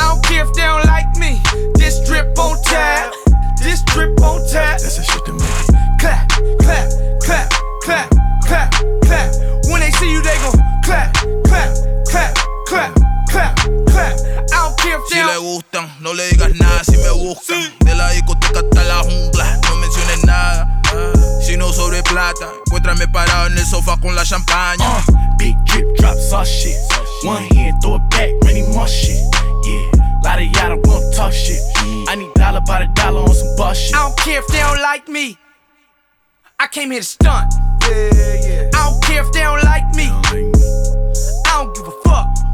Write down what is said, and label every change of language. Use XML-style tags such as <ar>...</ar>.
<en>I don't care if they don't like me. This drip on tap. This drip on tap. That's a shit to me. Clap, clap, clap, clap, clap, clap. When they see you, they gon' clap, clap, clap, clap, clap, clap. I don't care if they don't.</en> <es>Si le gustan, no le digas nada si me buscan. De la discoteca hasta la jungla, no menciones nada. Si no sobre plata, encuéntrame parado en el sofá con la champaña.</es> <en>Big drip drops all shit. One hand throw it back, many more shit. Yeah, lot of y'all don't talk shit. I need dollar by the dollar on some bus shit. I don't care if they don't like me. I came here to stunt. Yeah, yeah. I don't care if they don't like me. I don't give a fuck.</en>